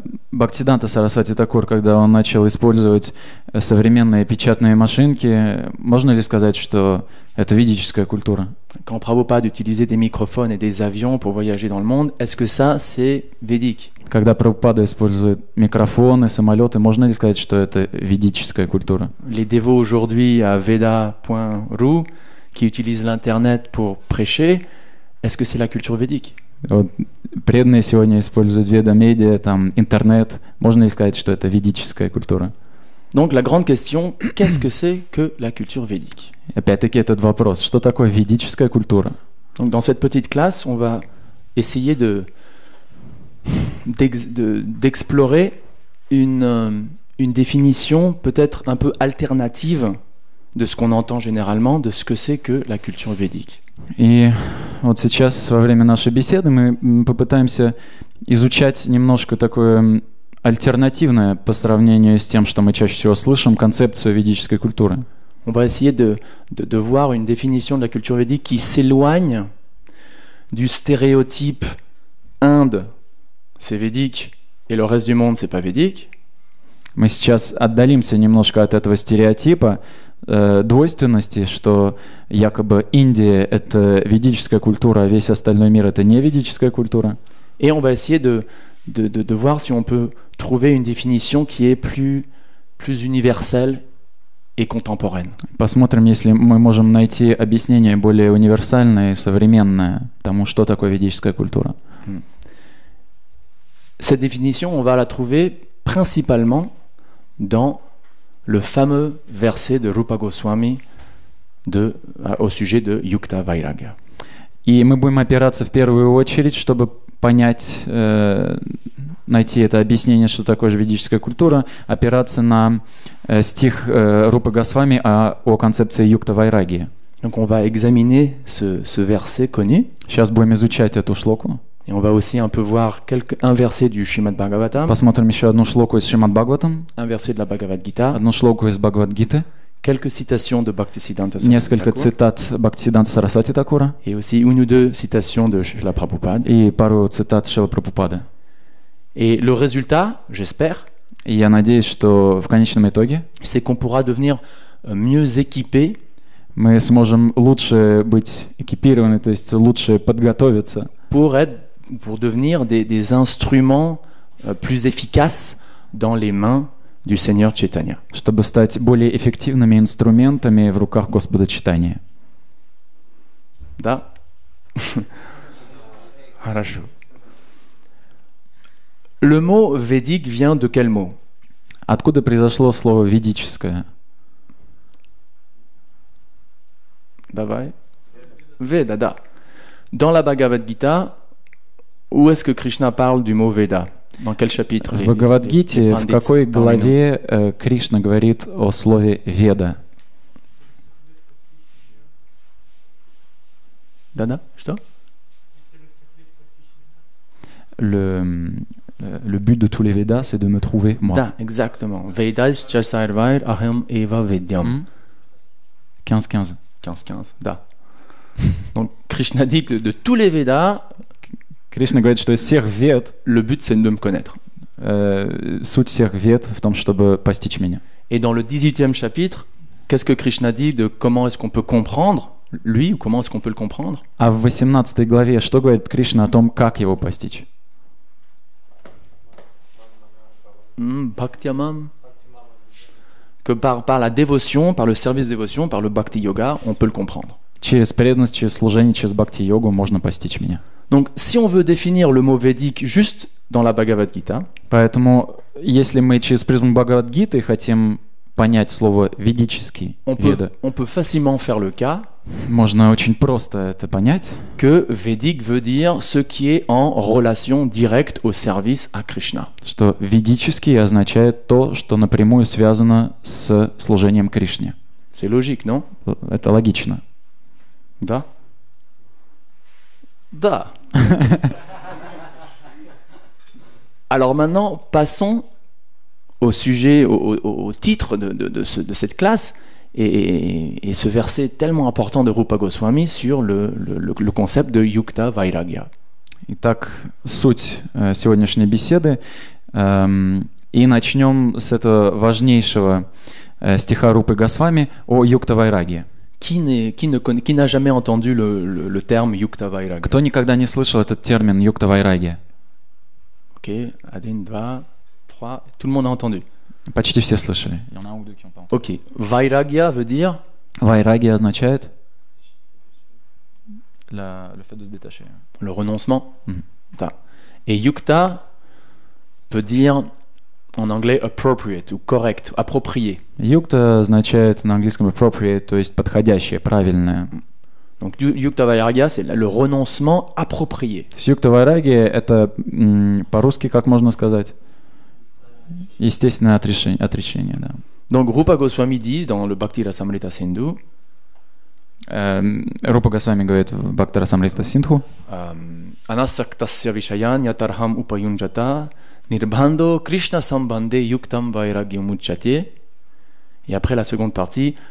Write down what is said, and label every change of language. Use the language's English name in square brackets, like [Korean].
[Russian] Bhaktisiddhanta Sarasvati Thakur, когда он начал использовать современные печатные машинки, можно ли сказать, что это ведическая культура? [French] Quand Prabhupada utilisait des microphones et des avions pour voyager dans le monde, est-ce que ça c'est védique? [Russian] Когда Прабхупада использует микрофоны, самолеты, можно ли сказать, что это ведическая культура? [French] Les dévots aujourd'hui à Veda.ru qui utilisent l'internet pour prêcher, est-ce que c'est la culture védique? [Russian] Вот преданные сегодня используют веда-медиа, там, интернет. Можно ли сказать, что это ведическая культура? [French] Donc la grande question, qu'est-ce que c'est que la culture védique? [Russian] Опять-таки этот вопрос, что такое ведическая культура? [French] Donc dans cette petite classe, on va essayer d'explorer une définition peut-être un peu alternative de ce qu'on entend généralement, de ce que c'est que la culture védique. [Russian] И вот сейчас, во время нашей беседы, мы попытаемся изучать немножко такое альтернативное по сравнению с тем, что мы чаще всего слышим, концепцию ведической культуры. [French] On va essayer de voir une définition de la culture védique qui s'éloigne du stéréotype Inde, c'est védique, et le reste du monde, c'est pas védique. [Russian] Мы сейчас отдалимся немножко от этого стереотипа, двойственности, что якобы Индия — это ведическая культура, а весь остальной мир — это не ведическая культура. [French] Et on va essayer de voir si on peut trouver une définition qui est plus universelle et contemporaine. [Russian] Посмотрим, если мы можем найти объяснение более универсальное и современное тому, что такое ведическая культура. [French] Cette définition, on va la trouver principalement dans le fameux verset de Rupa Goswami au sujet de Yukta Vairagya. [Russian] И мы будем опираться в первую очередь, чтобы понять, найти это объяснение, что такое же ведическая культура, опираться на стих Рупа Госвами о концепции Юкта Вайраги. [French] Donc on va examiner ce verset connu. [Russian] Сейчас будем изучать эту шлоку. [French] Et on va aussi un peu voir un verset du Shrimad Bhagavatam. [Russian] Посмотрим еще одну шлоку из Shrimad Bhagavatam. [French] Un verset de la Bhagavad Gita. [Russian] Одну шлоку из Bhagavad Gita. [French] Quelques citations de Bhaktisiddhanta Sarasvati. [Russian] Несколько цитат Bhaktisiddhanta Sarasvati Thakur. [French] Et aussi une ou deux citations de Shrila Prabhupada. [Russian] И пару цитат Шрилы Прабхупады. [French] Et le résultat, j'espère. [Russian] И я надеюсь, что в конечном итоге. [French] C'est qu'on pourra devenir mieux équipé. [Russian] Мы сможем лучше быть экипированы, то есть лучше подготовиться. [French] Pour devenir des instruments plus efficaces dans les mains du Seigneur Chaitanya. [Russian] Чтобы стать более эффективными инструментами в руках Господа Чайтаньи. Да. Хорошо. [French] Le mot védique vient de quel mot? [Russian] Откуда произошло слово ведическое? Давай. Веда, да. [French] Dans la Bhagavad Gita, où est-ce que Krishna parle du mot Veda? Dans quel chapitre? [Russian] В Bhagavad Gita, в какой главе Кришна говорит о слове Веда? Dana, что? [French] Le but de tous les Védas, c'est de me trouver moi. Da, exactement. [Sanskrit] Vedas chasarvair aham eva vedyam. [French] 15-15. Da. Donc Krishna dit que de tous les Védas, [Russian] Krishna говорит, что из всех вед, [French] le but c'est de me connaître. [Russian] Суть всех вед в том, чтобы постичь меня. [French] Et dans le 18e chapitre, qu'est-ce que Krishna dit de comment est-ce qu'on peut comprendre lui ou comment est-ce qu'on peut le comprendre? [Russian] А в 18 главе что говорит Кришна о том, как его постичь? [Sanskrit] Bhaktiamam. [French] Que par la dévotion, par le service de dévotion, par le bhakti yoga, on peut le comprendre. [Russian] Через преданность, через служение, через бхакти йогу можно постичь меня. [French] Donc, si on veut définir le mot védique juste dans la Bhagavad Gita. [Russian] Поэтому, если мы через призму Бхагавад Гиты хотим понять слово ведический, [French] on peut facilement faire le cas. [Russian] Можно очень просто это понять. [French] Que védique veut dire ce qui est en relation directe au service à Krishna. [Russian] Что ведический означает то, что напрямую связано с служением Кришне. [French] C'est logique, non? [Russian] Это логично. Да. Да. [French] Alors maintenant, passons au sujet, au titre de cette classe et ce verset tellement important de Rupa Goswami sur le concept de Yukta Vairagya. [Russian] Итак, суть сегодняшней беседы. И начнем с этого важнейшего стиха Рупы Госвами о Юкта Вайрагье. [French] Qui n'a jamais entendu le terme Yukta Vairagya? [Russian] Кто никогда не слышал этот термин Yukta Vairagya? [French] Ok, 1, 2, 3, tout le monde a entendu. [Russian] Почти все слышали. [French] Il y en a un ou deux qui ont pas entendu. Ok, Vairagya veut dire? [Russian] Vairagya означает? [French] Le fait de se détacher. Le renoncement. Mm-hmm. Et Yukta peut dire en anglais appropriate ou correct, approprié. [Russian] Yukta означает [French] en anglais [Russian] appropriate, то есть подходящее, правильное. [French] Donc Yukta Vairagya c'est le renoncement approprié. [Russian] Yukta Vairagya это по-русски как можно сказать? Естественное отречение, да. [French] Donc Rupa Goswami dit dans le Bhakti Rasamrita Sindhu. [Russian] Rupa Goswami говорит в Bhakti Rasamrita Sindhu. [Sanskrit] Anasaktasya vishayan yataraham upayunjata. Nirbhando Krishna sambande yuktam vairagyam uchyate. [French] Et après la seconde partie,